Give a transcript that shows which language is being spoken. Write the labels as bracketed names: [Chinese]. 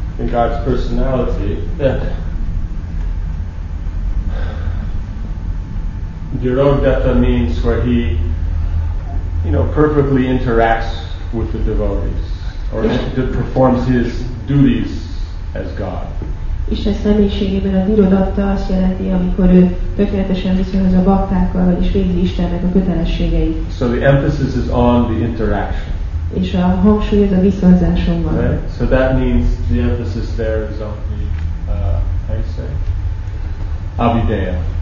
[English] God's personality, that Dhirodatta means where he, you know, perfectly interacts with the devotees or performs his duties as God. [Hungarian] Isten személyiségében a Dhirodatta azt jelenti, amikor ő tökéletesen viszonyoz a baktákkal, vagyis végzi Istennek a kötelességeit. [English] So the emphasis is on the interaction. [Hungarian] És a hangsúly ez a viszonzáson van. [English] Right. So that means the emphasis there is on the, how you say, Abhideya.